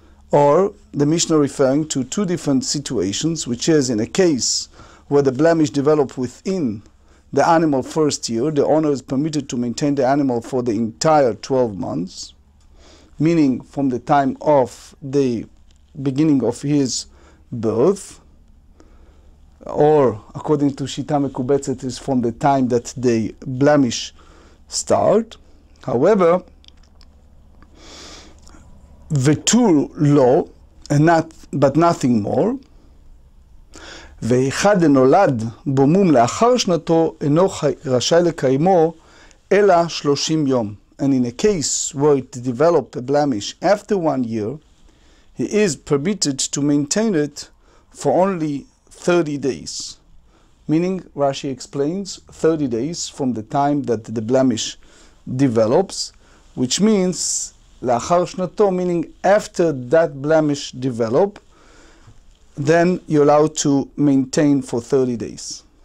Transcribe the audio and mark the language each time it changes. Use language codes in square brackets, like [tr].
[en] Or the Mishnah referring to two different situations, which is in a case where the blemish developed within the animal first year, the owner is permitted to maintain the animal for the entire 12 months, meaning from the time of the beginning of his birth, or according to Shita Mekubetz, it is from the time that the blemish start. However, the two law, and not but nothing more. [he] ואחד הנולד במום לאחר שנתו אינו רשאי לקיימו אלא 30 יום. [en] And in a case where it developed a blemish after 1 year, he is permitted to maintain it for only 30 days. Meaning, Rashi explains, 30 days from the time that the blemish develops, which means [he] לאחר שנתו, [en] meaning after that blemish develop, then you're allowed to maintain for 30 days.